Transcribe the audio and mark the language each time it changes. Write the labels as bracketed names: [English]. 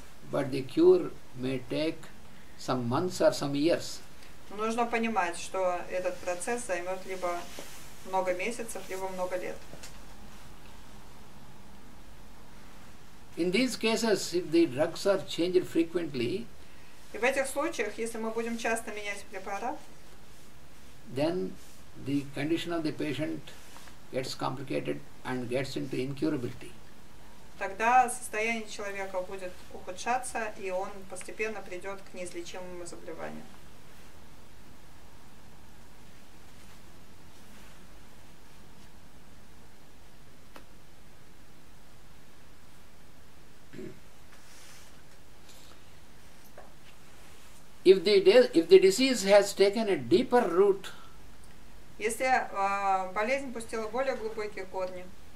[English] But the cure may take some months or some years. [Russian] Нужно понимать, что этот процесс займет либо много месяцев, либо много лет. [English] In these cases, if the drugs are changed frequently, [Russian] и в этих случаях, если мы будем часто менять препарат, [English] then the condition of the patient gets complicated and gets into incurability. [Russian] Тогда состояние человека будет ухудшаться, и он постепенно придет к неизлечимому заболеванию. [English] If the disease has taken a deeper root, [Russian] если болезнь пустила более глубокие корни,